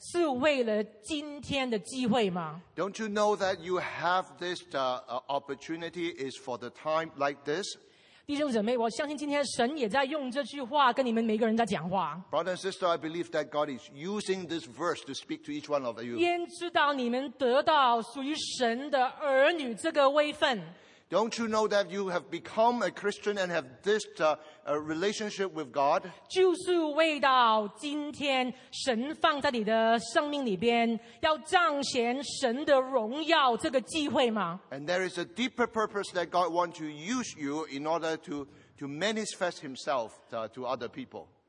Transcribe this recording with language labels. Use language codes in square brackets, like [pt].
[zh] 他就说，焉知你得到皇后的位分是为了今天的机会吗？ [en] Don't you know that you have this opportunity is for the time like this? [zh] 弟兄姊妹，我相信今天神也在用这句话跟你们每个人在讲话。 [en] Brother and sister, I believe that God is using this verse to speak to each one of you. [zh] 焉知道你们得到属于神的儿女这个位分。 [en] Don't you know that you have become a Christian and have this relationship with God? [zh] 就是为到今天神放在你的生命里边，要彰显神的荣耀这个机会吗？ [en] And there is a deeper purpose that God wants to use you in order to manifest Himself to other people.